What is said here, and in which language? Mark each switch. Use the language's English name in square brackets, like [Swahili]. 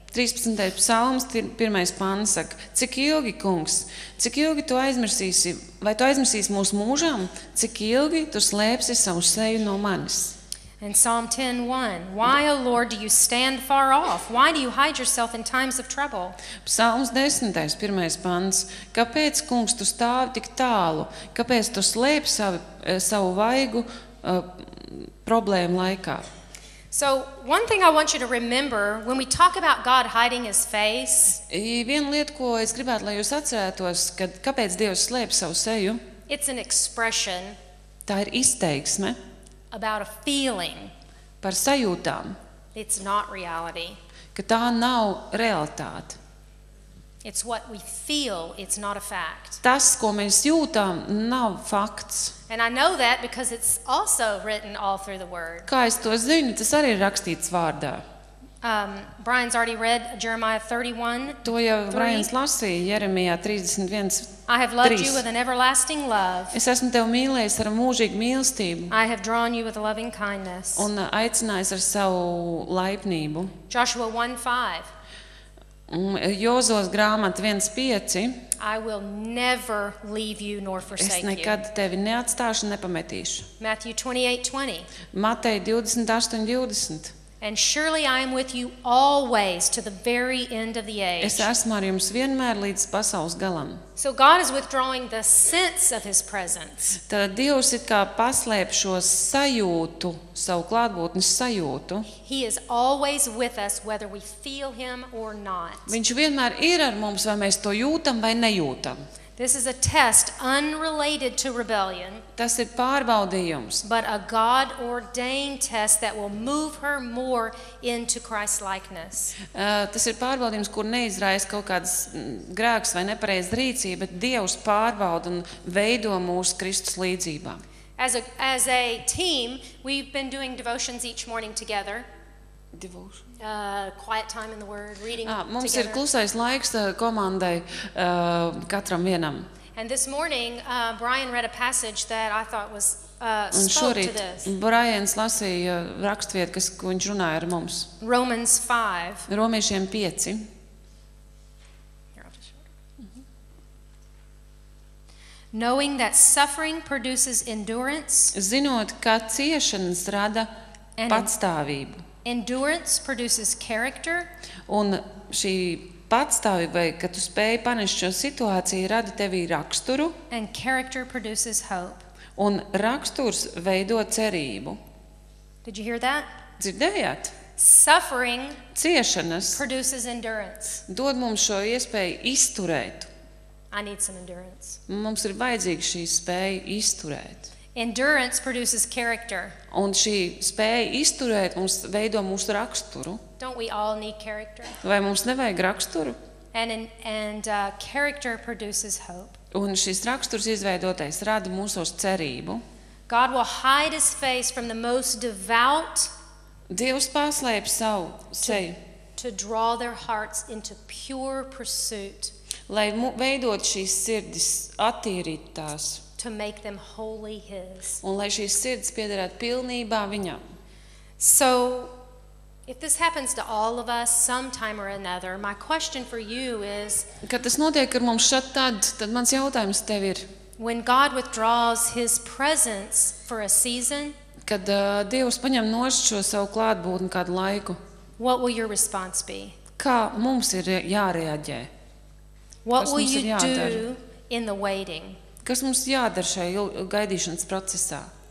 [Latvian] 13. Psalms, 1. pants saka, cik ilgi, kungs, cik ilgi tu aizmirsīsi, vai tu aizmirsīsi mūsu mūžam, cik ilgi tu slēpsi savu seju no manis? [English] And Psalm 10:1. Why, O Lord, do you stand far off? Why do you hide yourself in times of trouble? [Latvian] Psalms 10. 1. pants. Kāpēc, kungs, tu stāvi tik tālu? Kāpēc tu slēpi savu vaigu problēmu laikā? [English] So, one thing I want you to remember when we talk about God hiding his face. [Latvian] Viena lieta, ko es gribētu, lai jūs atcerētos, kad kāpēc Dievs slēp savu seju? [English] It's an expression. [Latvian] Tā ir izteiksme. [English] About a feeling. [Latvian] Par sajūtām. [English] It's not reality. [Latvian] Ka tā nav realitāte. [English] It's what we feel, it's not a fact. [Latvian] Tas, ko mēs jūtām, nav fakts. [English] And I know that because it's also written all through the word. [Latvian] Kā es to zinu, tas arī ir rakstīts vārdā. [English] Brian's already read Jeremiah 31. [Latvian] To jau Brian's lasīja Jeremijā 31. [English] I have loved you with an everlasting love. [Latvian] Es esmu tev mīlējis ar mūžīgu mīlestību. [English] I have drawn you with loving kindness. [Latvian] Un aicinājis ar savu laipnību. [English] Joshua 1:5. [Latvian] Jozos grāmata 1:5. [English] I will never leave you nor forsake you. [Latvian] Es nekad tevi neatstāšu, nepametīšu. [English] Matthew 28:20. [Latvian] Matei 28:20. [English] And surely I am with you always to the very end of the age. [Latvian] Es esmu ar jums vienmēr līdz pasaules galam. [English] So God is withdrawing the sense of his presence. [Latvian] Tad Dievs it kā paslēp šo sajūtu, savu klātbūtnes sajūtu. [English] He is always with us whether we feel him or not. [Latvian] Viņš vienmēr ir ar mums, vai mēs to jūtam vai nejūtam. [English] This is a test unrelated to rebellion. [Latvian] Tas ir pārbaudījums. [English] But a God-ordained test that will move her more into Christ likeness. [Latvian] Tas ir pārbaudījums, kur neizraisa kaut kāds grēks vai nepareiz rīcība, bet Dievs pārbauda un veido mūsu Kristus līdzībā. [English] As a team, we've been doing devotions each morning together. Quiet time in the word, reading [Latvian] mums [English] together. [Latvian] Mums ir klusais laiks komandai katram vienam. [English] And this morning, Brian read a passage that I thought was spoke to this. [Latvian] Brians lasīja rakstvietu, kas ko viņš runāja ar mums. [English] Romans 5. [Latvian] Romiešiem 5. [English] Knowing that suffering produces endurance. [Latvian] Zinot, ka ciešanas rada patstāvību. [English] Endurance produces character. [Latvian] Un šī patstāvība, ka tu spēji panest šo situāciju, rada tevī raksturu. [English] And character produces hope. [Latvian] Un raksturs veido cerību. [English] Did you hear that? [Latvian] Dzirdējāt? [English] Suffering [Latvian] ciešanas [English] produces endurance. [Latvian] Dod mums šo iespēju izturēt. [English] I need some endurance. [Latvian] Mums ir vajadzīga šī spēja izturēt. [English] Endurance produces character. [Latvian] Un šī spēja izturēt mums veido mūsu raksturu. [English] Don't we all need character? [Latvian] Vai mums nevajag raksturu? [English] And character produces hope. [Latvian] Un šis raksturs izveidotais rada mūsos cerību. [English] God will hide his face from the most devout. [Latvian] Dievs paslēp savu seju. [English] To draw their hearts into pure pursuit. [Latvian] Lai veidot šīs sirdis, attīrīt tās. [English] To make them wholly his. [Latvian] Un lai šīs sirds piederētu pilnībā viņam. [English] So, if this happens to all of us sometime or another, my question for you is, [Latvian] kad tas notiek ar mums šat tad, tad mans jautājums tev ir, [English] when God withdraws his presence for a season, [Latvian] kad Dievs paņem nost šo savu klātbūtni kādu laiku, [English] what will your response be? [Latvian] Kā mums ir jāreaģē? [English] What will you do in the waiting? [Latvian] Kas mums jādara šajā gaidīšanas procesā?